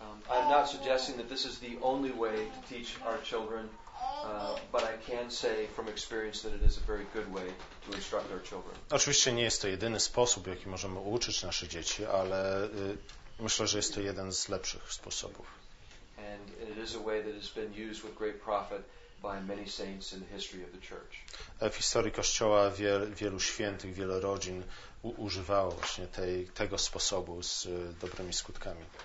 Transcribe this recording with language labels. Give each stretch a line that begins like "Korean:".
English: I'm not suggesting that this is the only way to teach our children, but I can say from experience that it is a very good way to instruct our children.
Polish: Oczywiście nie jest to jedyny sposób, jaki możemy uczyć nasze dzieci, ale myślę, że jest to jeden z lepszych sposobów.
English: And it is a way that has been used with great profit by many saints in the history of the church.
Polish: W historii Kościoła wielu świętych, wiele rodzin używało właśnie tego sposobu z dobrymi skutkami.